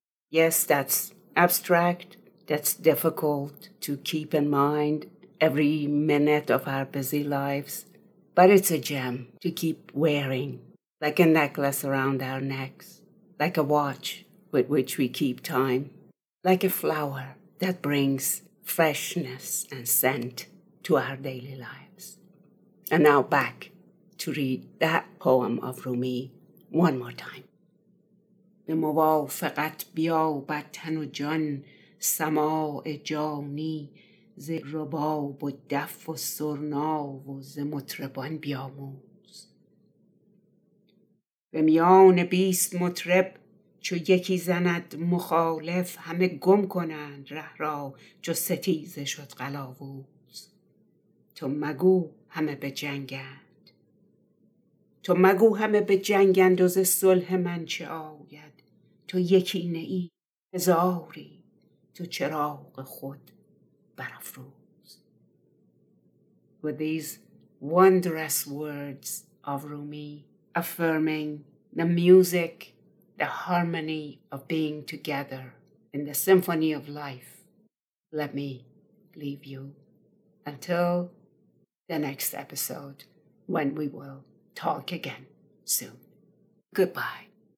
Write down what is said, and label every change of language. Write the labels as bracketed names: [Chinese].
[English] Yes, that's abstract. That's difficult to keep in mind every minute of our busy lives, but it's a gem to keep wearing, like a necklace around our necks, like a watch with which we keep time, like a flower that brings freshness and scent to our daily lives. And now back to read that poem of Rumi one more time. [Persian] به موافقت بیابد تن و جان سماع جانی ز رباب و دف و سرنا و ز مطربان بیاموز. به میان بیست مطرب چو یکی زند مخالف همه گم کنند ره را چو ستیزه شد قلاووز تو مگو همه به جنگند تو مگو همه به جنگند و ز صلح من چه آید تو یکی نئی هزاری تو چراغ خود برافروز. [English] With these wondrous words of Rumi affirming the music, the harmony of being together in the symphony of life, let me leave you until the next episode when we will talk again soon. Goodbye.